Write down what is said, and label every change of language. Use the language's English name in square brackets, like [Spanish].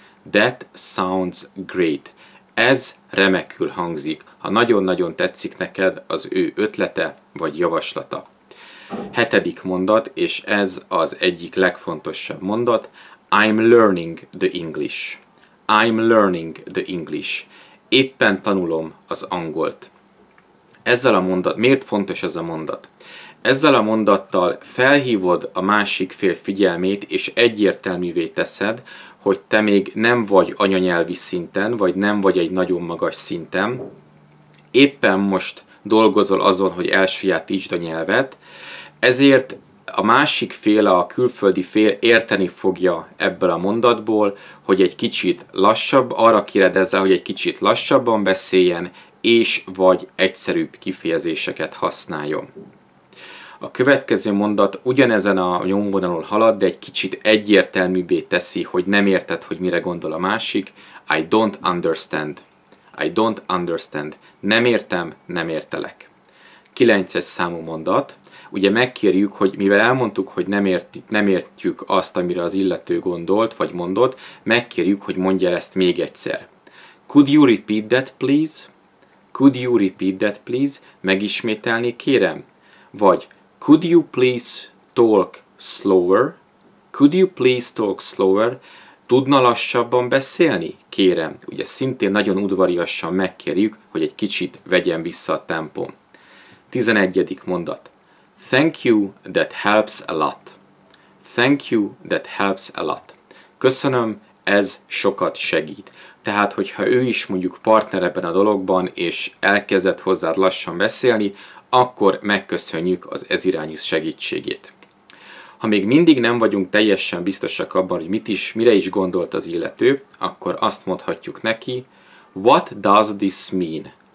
[English] That sounds great. [Hungarian] Ez remekül hangzik, ha nagyon-nagyon tetszik neked az ő ötlete vagy javaslata. Hetedik mondat, és ez az egyik legfontosabb mondat, [English] I'm learning the English. I'm learning the English. [Hungarian] Éppen tanulom az angolt. Ezzel a mondat, miért fontos ez a mondat? Ezzel a mondattal felhívod a másik fél figyelmét, és egyértelművé teszed, hogy te még nem vagy anyanyelvi szinten, vagy nem vagy egy nagyon magas szinten. Éppen most dolgozol azon, hogy elsajátítsd a nyelvet, ezért a másik fél, a külföldi fél érteni fogja ebből a mondatból, hogy egy kicsit lassabb, arra kéred ezzel, hogy egy kicsit lassabban beszéljen, és vagy egyszerűbb kifejezéseket használjon. A következő mondat ugyanezen a nyomvonalon halad, de egy kicsit egyértelműbbé teszi, hogy nem érted, hogy mire gondol a másik. [English] I don't understand. I don't understand. [Hungarian] Nem értem, nem értelek. 9-es számú mondat. Ugye megkérjük, hogy mivel elmondtuk, hogy nem értjük azt, amire az illető gondolt, vagy mondott, megkérjük, hogy mondja ezt még egyszer. [English] Could you repeat that, please? Could you repeat that, please? [Hungarian] Megismételni kérem? Vagy [English] could you please talk slower? Could you please talk slower? [Hungarian] Tudna lassabban beszélni? Kérem. Ugye szintén nagyon udvariasan megkérjük, hogy egy kicsit vegyen vissza a tempón. 11. mondat. [English] Thank you, that helps a lot. Thank you, that helps a lot. [Hungarian] Köszönöm, ez sokat segít. Tehát, hogyha ő is mondjuk partner ebben a dologban, és elkezdett hozzád lassan beszélni, akkor megköszönjük az ez irányú segítségét. Ha még mindig nem vagyunk teljesen biztosak abban, hogy mire is gondolt az illető, akkor azt mondhatjuk neki, [English] What does this mean?